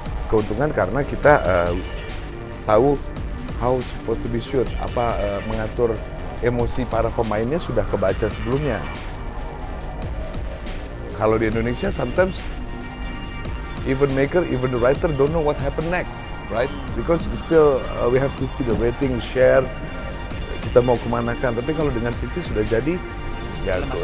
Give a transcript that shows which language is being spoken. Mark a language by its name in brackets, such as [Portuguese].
[Indonesian] Keuntungan karena kita tahu [English] how supposed to be shoot, [Indonesian] apa mengatur emosi para pemainnya sudah kebaca sebelumnya. Kalau di Indonesia [English] sometimes even maker, even the writer don't know what happen next, right? Because still we have to see the rating, share, [Indonesian] kita mau kemanakan. Tapi kalau dengan Siti sudah jadi, ya